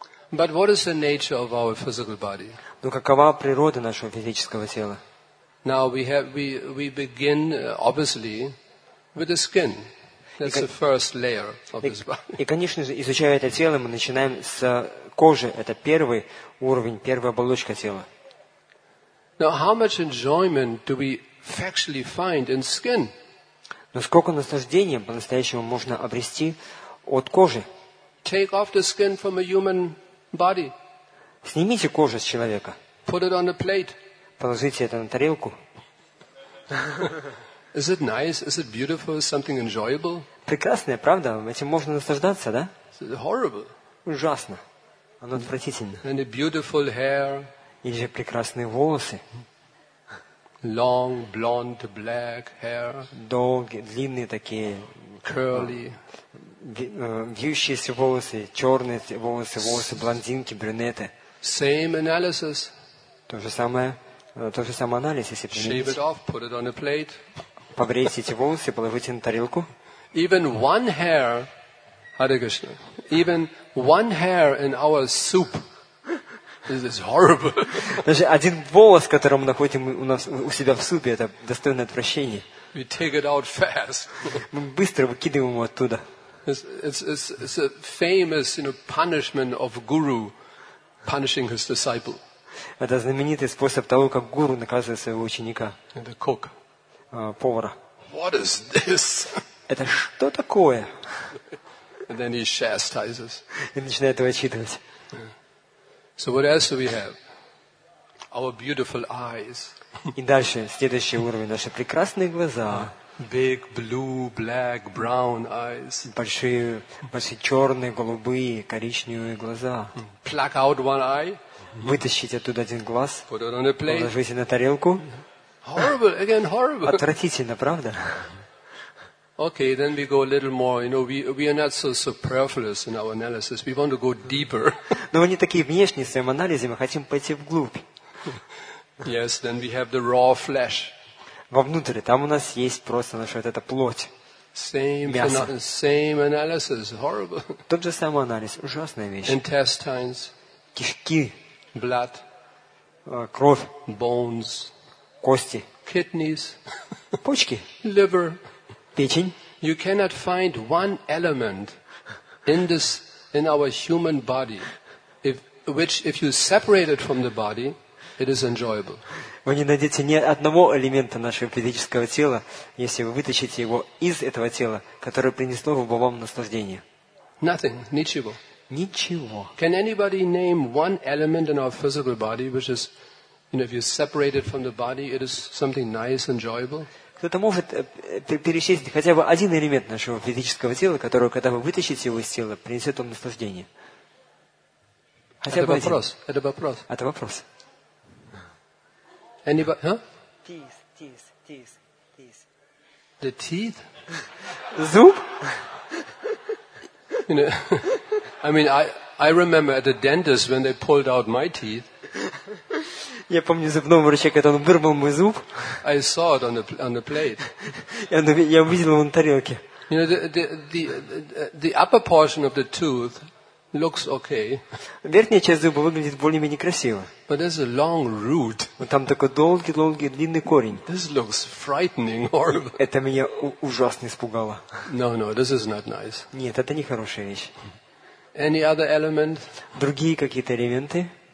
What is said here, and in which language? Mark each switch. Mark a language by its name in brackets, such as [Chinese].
[English] But what is the nature of our physical body? [Russian] Но какова природа нашего физического тела? [English] Now we begin obviously with the skin. That's the first layer of this body. [Russian] И, конечно же, изучая это тело, мы начинаем с кожи. Это первый уровень, первая оболочка тела. [English] Now how much enjoyment do we factually find in skin? [Russian] Но сколько наслаждения по-настоящему можно обрести от кожи? [English] Take off the skin from a human body. [Russian] Снимите кожу с человека. [English] Put it on a plate. [Russian] Положите это на тарелку. [English] Is it nice? Is it beautiful? Something enjoyable? [Russian] Прекрасное, правда? Этим можно наслаждаться, да? [English] It's horrible. [Russian] Ужасно. Оно отвратительно. [English] And a beautiful hair. [Russian] Или же прекрасные волосы. [English] Long, blonde, black hair. [Russian] Долгие, длинные такие. [English] Curly. [Russian] Вьющиеся волосы, черные волосы, волосы блондинки, брюнеты. [English] Same analysis. [Russian] То же самое. Тот же самый анализ, если применить. [English] Shave it off, put it on a plate. [Russian] Побрейте эти волосы, положите на тарелку. [English] Even one hair, Hare Krishna, even one hair in our soup, this is horrible. [Russian] Даже один волос, который мы находим у нас у себя в супе, это достойно отвращения. [English] We take it out fast. [Russian] Мы быстро выкидываем его оттуда. [English] It's a famous, you know, punishment of guru punishing his disciple. [Russian] Это знаменитый способ того, как гуру наказывает своего ученика. [English] The cook. [Russian] Повара. [English] What is this? [Russian] Это что такое? [English] And then he chastises. [Russian] И начинает его отчитывать. [English] So what else do we have? Our beautiful eyes. [Russian] И дальше, следующий уровень, наши прекрасные глаза. [English] Big blue, black, brown eyes. [Russian] Большие черные, голубые, коричневые глаза. [English] Pluck out one eye. [Russian] Вытащить оттуда один глаз, [English] put it on a plate. [Russian] Положите на тарелку. [English] Horrible, again horrible. [Russian] Отвратительно, правда? [English] Okay, then we go a little more. You know, we are not so superfluous in our analysis. We want to go deeper. [Russian] Но мы не такие внешние в своем анализе, мы хотим пойти вглубь. [English] Yes, then we have the raw flesh. [Russian] Вовнутрь, там у нас есть просто наша вот эта плоть. [English] Same analysis, horrible. [Russian] Тот же самый анализ, ужасная вещь. [English] Intestines. [Russian] Кишки. [English] Blood, [Russian] кровь, [English] bones, [Russian] кости, [English] kidneys, [Russian] почки, [English] liver, [Russian] печень. [English] You cannot find one element in this in our human body if which if you separate it from the body, it is enjoyable. [Russian] Вы не найдете ни одного элемента нашего физического тела, если вы вытащите его из этого тела, которое принесло бы вам наслаждение. [English] Nothing, [Russian] ничего. Ничего. [English] Can anybody name one element in our physical body which is, you know, if you separate it from the body, it is something nice, enjoyable? [Russian] Кто-то может перечислить хотя бы один элемент нашего физического тела, который, когда вы вытащите его из тела, принесет вам наслаждение? Хотя это бы вопрос. Один. Это вопрос. Это вопрос. [English] Anybody? Huh? Teeth. The teeth? [Russian] Зуб? [English] You know, I mean, I remember at the dentist when they pulled out my teeth. [Russian] Я помню зубного врача, когда он вырвал мой зуб. [English] I saw it on the plate. [Russian] Я увидел его на тарелке. [English] You know, the upper portion of the tooth looks okay. [Russian] Верхняя часть зуба выглядит более-менее красиво. [English] But there's a long root. [Russian] Вот там такой долгий длинный корень. [English] This looks frightening, horrible. [Russian] Это меня ужасно испугало. [English] No, this is not nice. [Russian] Нет, это не хорошая вещь. [English] Any other element? [Russian] Другие какие-то элементы?